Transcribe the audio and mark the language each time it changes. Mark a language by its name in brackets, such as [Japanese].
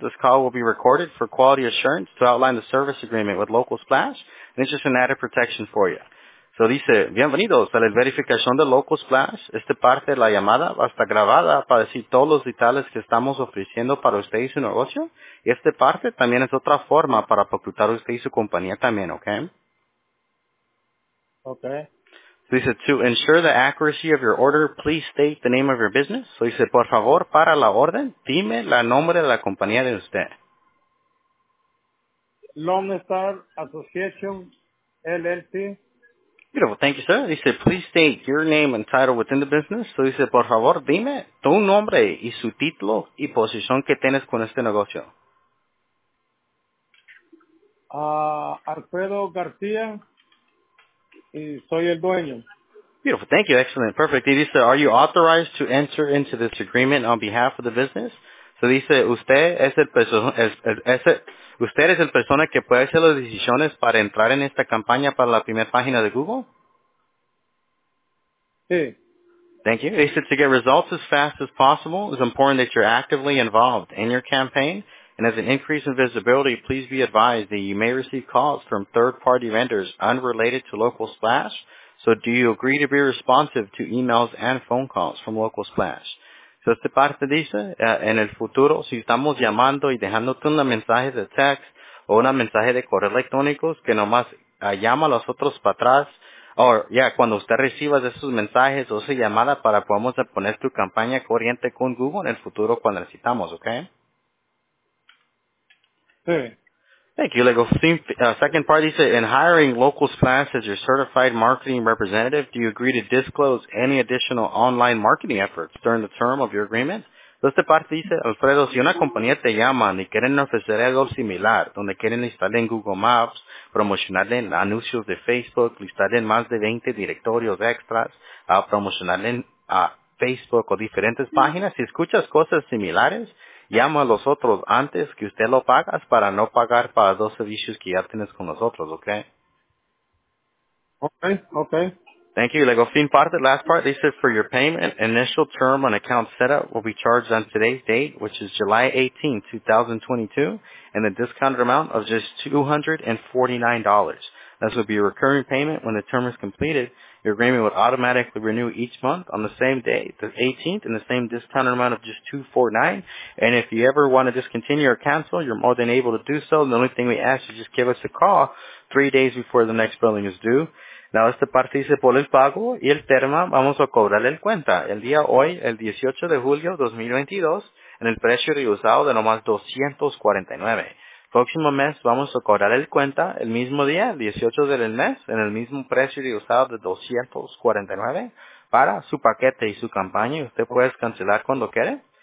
[English] This call will be recorded for quality assurance to outline the service agreement with Local Splash. And it's just an added protection for you. [Spanish] So dice, bienvenidos a la verificación de Local Splash. Esta parte de la llamada va a estar grabada para decir todos los detalles que estamos ofreciendo para usted y su negocio. Y esta parte también es otra forma para reclutar usted y su compañía también, okay? Okay. [English] So he said, to ensure the accuracy of your order, please state the name of your business. So he said, [Spanish] por favor, para la orden, dime la nombre de la compañía de usted. [English] Long Star Association, LLC. Beautiful. Thank you, sir. He said, please state your name and title within the business. [Spanish] So he said, por favor, dime tu nombre y su título y posición que tienes con este negocio. Alfredo García. Soy el dueño. [English] Beautiful. Thank you. Excellent. Perfect. [Spanish] Y dice, [English] are you authorized to enter into this agreement on behalf of the business? [Spanish] So dice, usted es el persona que puede hacer las decisiones para entrar en esta campaña para la primera página de Google? [English] Thank you. They said to get results as fast as possible, it's important that you're actively involved in your campaign. And as an increase in visibility, please be advised that you may receive calls from third-party vendors unrelated to Local Splash. So do you agree to be responsive to emails and phone calls from Local Splash? [Spanish] So esta parte dice, en el futuro, si estamos llamando y dejándote un mensaje de text o un mensaje de correo electrónico, que nomás llama a los otros para atrás, cuando usted reciba esos mensajes o esa llamada para podamos poner tu campaña corriente con Google en el futuro cuando necesitamos, ¿ok? Sí. [English] Thank you. [Spanish] Lego. [English] Second part, he said, in hiring Local Splash as your certified marketing representative, do you agree to disclose any additional online marketing efforts during the term of your agreement? [Spanish] Esta parte dice, Alfredo, si una compañía te llama y quieren ofrecer algo similar, donde quieren instalar en Google Maps, promocionarle en anuncios de Facebook, listarle en más de 20 directorios extras, promocionarle en Facebook o diferentes páginas, si escuchas cosas similares, llama a los otros antes que usted lo pagas para no pagar para dos servicios que ya tienes con nosotros, ¿ok? Ok. [English] Thank you. [Spanish] Lego fin parte, [English] last part, they said for your payment, initial term on account setup will be charged on today's date, which is July 18, 2022, and the discounted amount of just $249. This will be a recurring payment. When the term is completed, your agreement would automatically renew each month on the same day, the 18th, and the same discounted amount of just $249. And if you ever want to discontinue or cancel, you're more than able to do so. The only thing we ask is just give us a call 3 days before the next billing is due. [Spanish] Now, esta parte dice, por el pago y el termo, vamos a cobrarle el cuenta. El día hoy, el 18 de julio 2022, en el precio reusado de nomás $249. Próximo mes, vamos a cobrar el cuenta el mismo día, el 18 del mes, en el mismo precio reusado de $249 para su paquete y su campaña. Y usted puede cancelar cuando quiera.